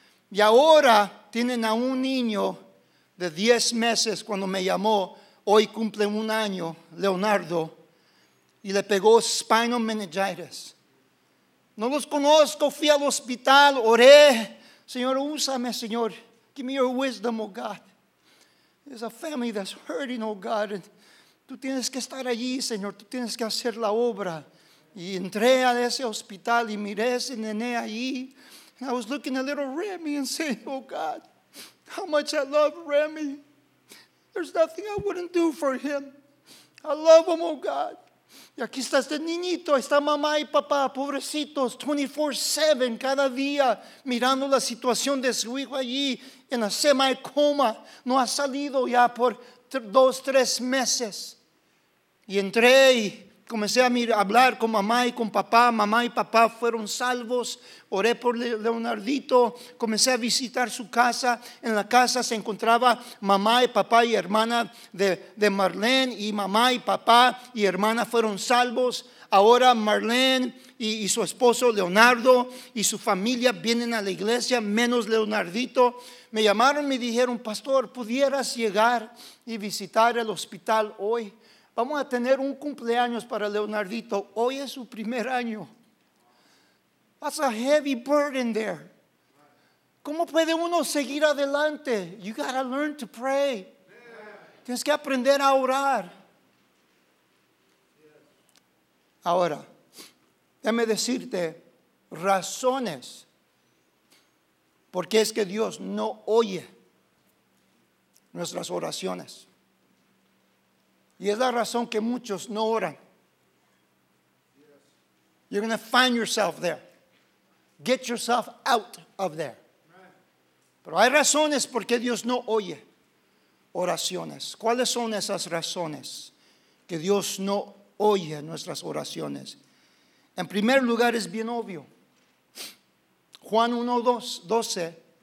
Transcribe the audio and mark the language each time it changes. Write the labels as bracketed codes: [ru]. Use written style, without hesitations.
[es] Y ahora tienen a un niño de 10 meses cuando me llamó. Hoy cumple 1 año, Leonardo, y le pegó [en] spinal meningitis. [es] No los conozco, fui al hospital, oré. Señor, úsame, Señor. [en] Give me your wisdom, oh God. There's a family that's hurting, oh God. [es] And tú tienes que estar allí, Señor. Tú tienes que hacer la obra. Y entré a ese hospital y miré ese nené allí. [en] And I was looking at little Remy and saying, oh God, how much I love Remy. There's nothing I wouldn't do for him. I love him, oh God. [es] Y aquí está este niñito, está mamá y papá, pobrecitos, 24/7, cada día, mirando la situación de su hijo allí, en la semi-coma. No ha salido ya por 2, 3 meses. Y entré y comencé a hablar con mamá y con papá. Mamá y papá fueron salvos. Oré por Leonardito. Comencé a visitar su casa. En la casa se encontraba mamá y papá y hermana de Marlene. Y mamá y papá y hermana fueron salvos. Ahora Marlene y su esposo Leonardo y su familia vienen a la iglesia, menos Leonardito. Me llamaron y me dijeron, pastor, ¿pudieras llegar y visitar el hospital hoy? Vamos a tener un cumpleaños para Leonardito. Hoy es su primer año. [en] That's a heavy burden there. [es] ¿Cómo puede uno seguir adelante? [en] You gotta learn to pray. [es] Tienes que aprender a orar. Ahora, déjame decirte razones por qué es que Dios no oye nuestras oraciones. Y es la razón que muchos no oran. [en] You're going to find yourself there. Get yourself out of there. [es] Pero hay razones por qué Dios no oye oraciones. ¿Cuáles son esas razones que Dios no oye nuestras oraciones? En primer lugar, es bien obvio. Juan 1:12.